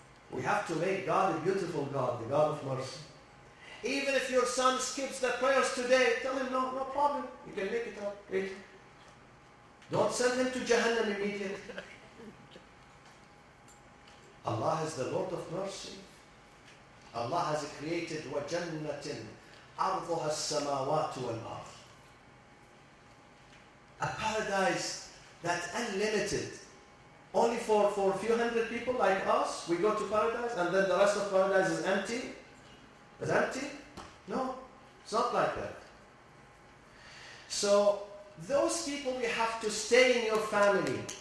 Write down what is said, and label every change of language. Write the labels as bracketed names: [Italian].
[English] We have to make God a beautiful God, the God of mercy. Even if your son skips the prayers today, tell him, no problem. You can make it up. Don't send him to Jahannam immediately. Allah is the Lord of mercy. Allah has created [Arabic] وَجَنَّةٍ أَرْضُهَا السَّمَاوَاتُ وَالْأَرْضِ. [English] A paradise that's unlimited. Only for a few hundred people like us, we go to paradise and then the rest of paradise is empty. Is empty? No, it's not like that. So those people, we have to stay in your family.